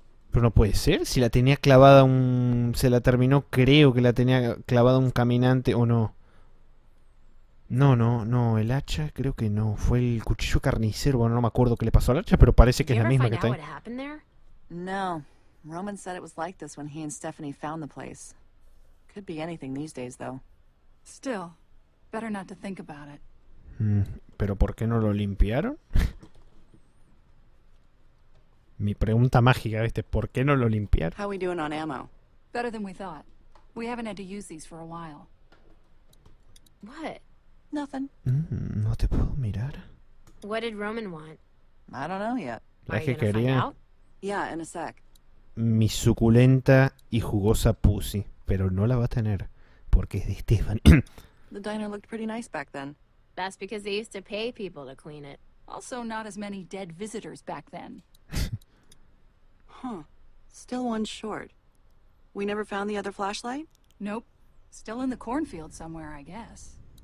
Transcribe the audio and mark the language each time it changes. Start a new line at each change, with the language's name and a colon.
Spanish: Pero no puede ser, si la tenía clavada un... Se la terminó, creo que la tenía clavada un caminante, ¿o no? No, no, no, el hacha creo que no. Fue el cuchillo carnicero, bueno, no me acuerdo qué le pasó al hacha, pero parece que es la misma que está ahí. No.
English: Roman said it was like this when he and Stephanie found the place. Could be anything these days, though. Still, better not to think about it.
Spanish: ¿Pero por qué no lo limpiaron? Mi pregunta mágica, ¿viste? ¿Por qué no lo limpiaron?
English: How we doing on ammo? Better than we thought. We haven't had to use these for a while. What? Nothing.
Spanish: No te puedo mirar.
English: What did Roman want? I don't know yet.
Spanish: ¿La que quería?
English: Yeah, in a sec.
Spanish: Mi suculenta y jugosa pussy, pero no la va a tener porque es de Stefan.
English: The diner looked pretty nice back then. That's because they used to pay people to clean it. Also, not as many dead visitors back then. Huh. Still one short. We never found the other flashlight? Nope. Still in the cornfield somewhere, I guess.